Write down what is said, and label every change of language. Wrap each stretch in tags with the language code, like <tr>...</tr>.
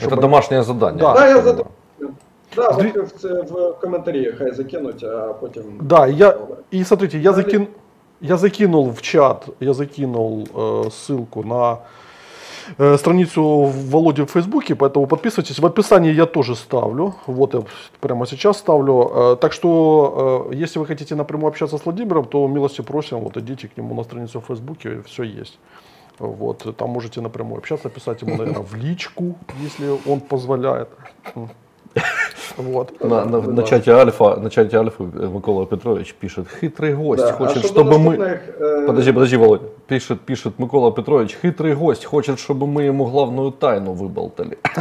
<uk>Щоб... Это домашнє задання.</uk> <ru>Да, я задаю.</ru> <uk>Да, в коментарі хай закинуть, а потім... Да, і смотрите, я закинув в чат, я закинув ссылку на... страницу Володі в Фейсбуці, тому підписуйтесь. В описі я теж ставлю. Вот я прямо зараз ставлю. Так що, якщо ви хочете напряму спілкуватися з Володимиром, то милості просимо, вот йдіть</uk> <ru>к нему на страницу</ru> <uk>в Фейсбуці, все є. Вот, там можете напряму спілкуватися, писати йому,</uk> <ru>наверное, в личку,</ru> <uk>якщо він дозволяє. Вот.</uk> <ru>На чате Альфа, Микола Петрович пишет: хитрый гость, да, хочет, чтобы мы... Подожди, Володя. Пишет Микола Петрович: хитрый гость хочет, чтобы мы ему главную тайну выболтали.</ru>